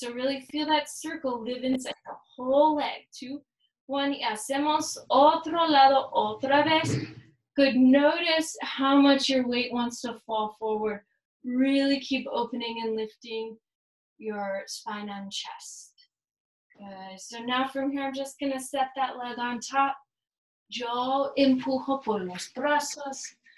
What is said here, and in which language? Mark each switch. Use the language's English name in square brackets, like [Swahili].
[English] So really feel that circle live inside the whole leg. Two, one, [Spanish] y hacemos otro lado otra vez. [English] Good. Notice how much your weight wants to fall forward. Really keep opening and lifting your spine and chest. Good. So now from here, I'm just going to set that leg on top. [Spanish] Yo empujo por los brazos.